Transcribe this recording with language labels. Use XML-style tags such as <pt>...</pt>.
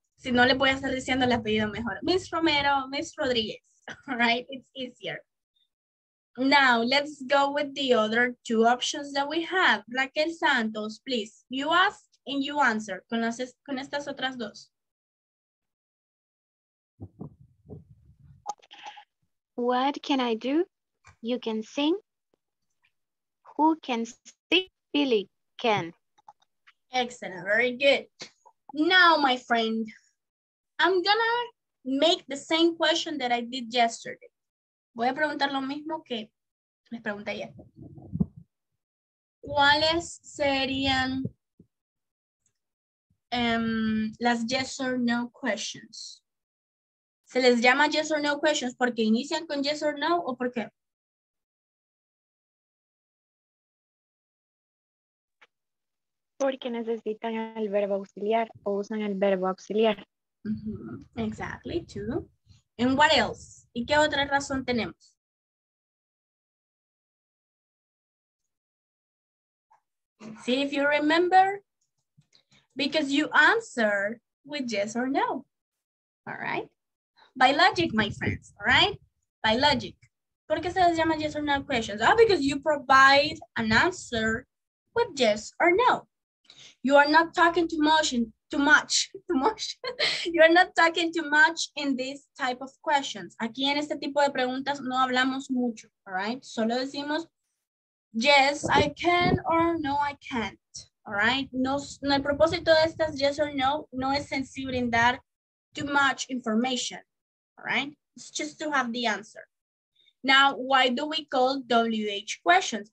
<es>Si no, le voy a estar diciendo el apellido mejor.</es> <en>Miss Romero, Miss Rodriguez. All right, it's easier. Now, let's go with the other two options that we have. Raquel Santos, please. You ask and you answer.</en> <es>Con estas otras dos.</es> <en>What can I do? You can sing. Who can sing? Billy can. Excellent. Very good. Now, my friend, I'm gonna make the same question that I did yesterday.</en> <es>Voy a preguntar lo mismo que les pregunté ayer. ¿Cuáles serían las yes or no questions? ¿Se les llama yes or no questions porque inician con yes or no o por qué? Porque necesitan el verbo auxiliar o usan el verbo auxiliar.</es> <en>Mm-hmm. Exactly, too. And what else?</en> <es>¿Y qué otra razón tenemos?</es> <en>See if you remember. Because you answer with yes or no. All right. By logic, my friends, all right? By logic.</en> <es>¿Por qué se les llama yes or no questions?</es> <en>Ah, because you provide an answer with yes or no. You are not talking too much. You are not talking too much in this type of questions.</en> <es>Aquí en este tipo de preguntas no hablamos mucho,</es> <en>all right?</en> <es>Solo decimos</es> <en>yes, I can, or no, I can't, all right?</en> <es>No, el propósito de estas yes or no, no es sensible en dar</es> <en>too much information. Right? It's just to have the answer. Now, why do we call WH questions?</en>